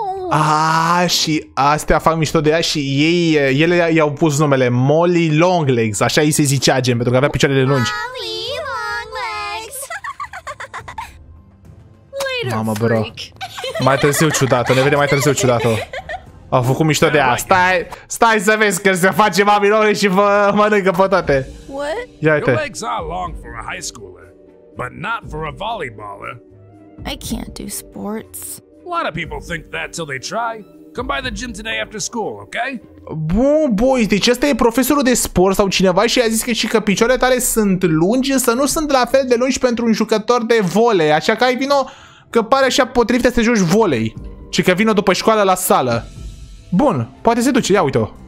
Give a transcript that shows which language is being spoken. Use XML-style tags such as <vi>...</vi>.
<ro>Ah, și astea fac mișto de ea și ei, ele i-au pus numele Molly Long Legs, așa îi se zicea gen, pentru că avea picioarele lungi. Molly Long Legs. Mamă, bro. Mai târziu ciudată, ne vede mai târziu ciudată. Au făcut mișto de ea. Stai, stai să vezi că se face mami Lori și mănâncă pe toate.</ro> <en>What?</en> <ro>Ia uite.</ro> <en>Your legs are long for a high schooler, but not for a volleyballer. I can't do sports. A lot of people think that till they try. Come by the gym today after school, okay?</en> <ro>Bun, boys, deci ăsta e profesorul de sport sau cineva și i-a zis că și că picioarele tale sunt lungi, însă nu sunt la fel de lungi pentru un jucător de volei. Așa că ai vino că pare așa potrivit să joci volei. Și că vino după școală la sală. Bun, poate se duce, ia uite-o.</ro>